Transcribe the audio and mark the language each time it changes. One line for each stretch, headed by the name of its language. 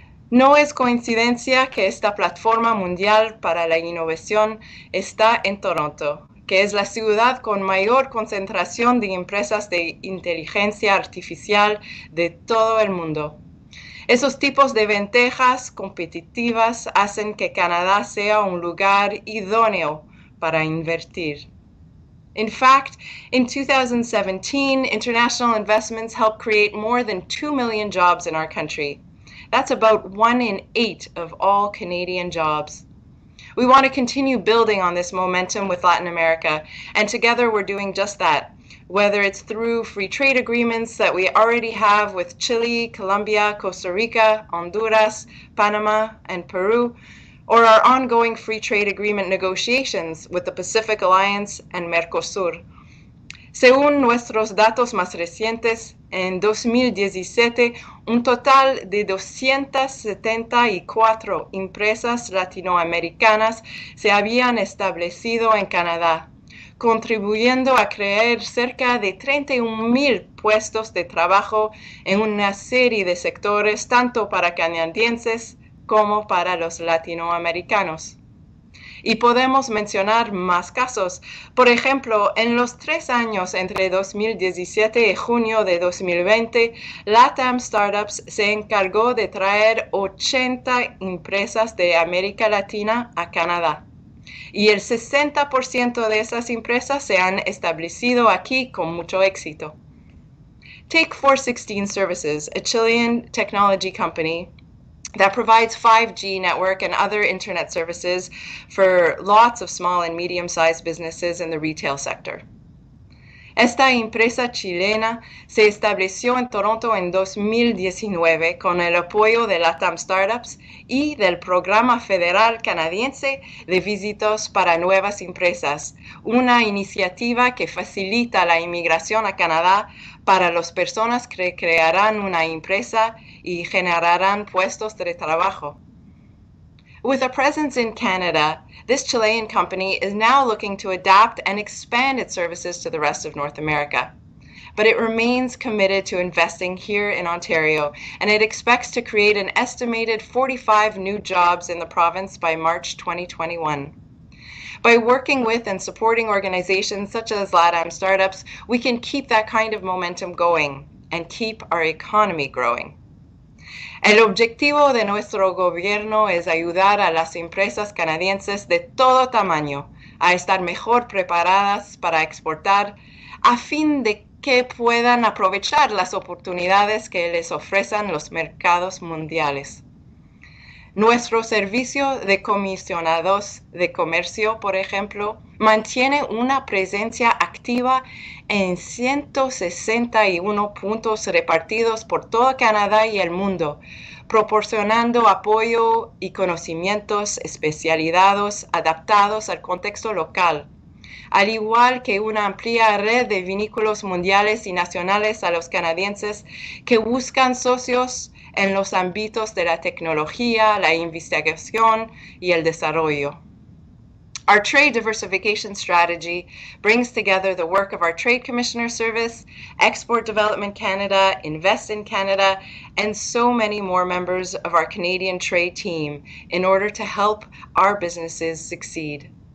Spanish: No es coincidencia que esta plataforma mundial para la innovación está en Toronto, que es la ciudad con mayor concentración de empresas de inteligencia artificial de todo el mundo. Esos tipos de ventajas competitivas hacen que Canadá sea un lugar idóneo para invertir.
English: In fact, in 2017, international investments helped create more than 2 million jobs in our country. That's about 1 in 8 of all Canadian jobs. We want to continue building on this momentum with Latin America, and together we're doing just that, whether it's through free trade agreements that we already have with Chile, Colombia, Costa Rica, Honduras, Panama, and Peru, or our ongoing free trade agreement negotiations with the Pacific Alliance and Mercosur.
Spanish: Según nuestros datos más recientes, en 2017, un total de 274 empresas latinoamericanas se habían establecido en Canadá, contribuyendo a crear cerca de 31.000 puestos de trabajo en una serie de sectores, tanto para canadienses como para los latinoamericanos. Y podemos mencionar más casos. Por ejemplo, en los 3 años entre 2017 y junio de 2020, LATAM Startups se encargó de traer 80 empresas de América Latina a Canadá. Y el 60% de esas empresas se han establecido aquí con mucho éxito.
English: Take 416 Services, a Chilean technology company that provides 5G network and other internet services for lots of small and medium-sized businesses in the retail sector.
Spanish: Esta empresa chilena se estableció en Toronto en 2019 con el apoyo de LatAm Startups y del Programa Federal Canadiense de Visitas para Nuevas Empresas, una iniciativa que facilita la inmigración a Canadá para las personas que crearán una empresa y generarán puestos de trabajo.
English: With a presence in Canada, this Chilean company is now looking to adapt and expand its services to the rest of North America. But it remains committed to investing here in Ontario, and it expects to create an estimated 45 new jobs in the province by March 2021. By working with and supporting organizations such as LatAm Startups, we can keep that kind of momentum going and keep our economy growing.
Spanish: El objetivo de nuestro gobierno es ayudar a las empresas canadienses de todo tamaño a estar mejor preparadas para exportar a fin de que puedan aprovechar las oportunidades que les ofrecen los mercados mundiales. Nuestro servicio de comisionados de comercio, por ejemplo, mantiene una presencia activa en 161 puntos repartidos por todo Canadá y el mundo, proporcionando apoyo y conocimientos especializados adaptados al contexto local, al igual que una amplia red de vínculos mundiales y nacionales a los canadienses que buscan socios en los ámbitos de la tecnología, la investigación y el desarrollo.
English: Our trade diversification strategy brings together the work of our Trade Commissioner Service, Export Development Canada, Invest in Canada, and so many more members of our Canadian trade team in order to help our businesses succeed.